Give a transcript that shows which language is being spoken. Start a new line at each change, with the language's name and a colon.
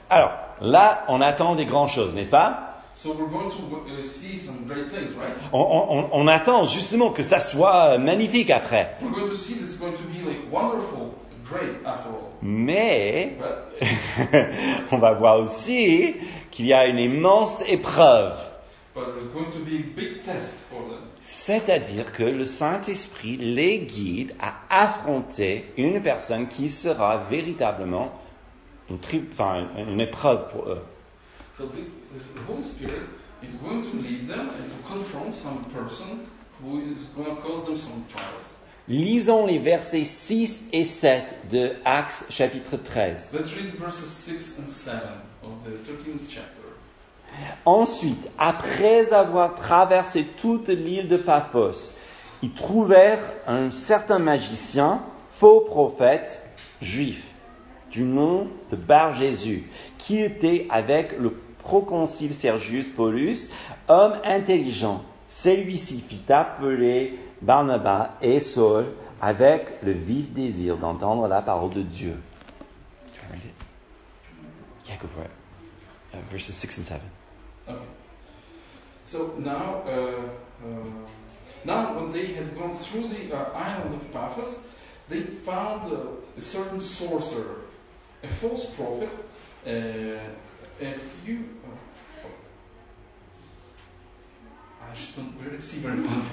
French: Alors, là, on attend des grandes choses, n'est-ce pas?
English: So we're going to see some great things, right?
French: On attend justement que ça soit magnifique après.
English: We're going to see that it's going to be like wonderful, great after all.
French: Mais,
English: but,
French: on va voir aussi qu'il y a une immense épreuve.
English: But there's going to be a big test for them.
French: C'est-à-dire que le Saint-Esprit les guide à affronter une personne qui sera véritablement une épreuve pour eux.
English: So the Holy Spirit is going to lead them and to confront some person who is going to cause them some trials.
French: Lisons les versets 6 et 7 de Actes chapitre 13.
English: Let's read verses 6 and 7 of the 13th chapter.
French: Ensuite, après avoir traversé toute l'île de Paphos, ils trouvèrent un certain magicien, faux prophète, juif, du nom de Bar-Jésus, qui était avec le proconsul Sergius Paulus, homme intelligent. Celui-ci fit appeler Barnabas et Saul avec le vif désir d'entendre la parole de Dieu.
English: Do you want to read it? Yeah, go for it. Verses 6 and 7. Okay. So now when they had gone through the island of Paphos, they found a certain sorcerer, a false prophet, I just don't really see very well.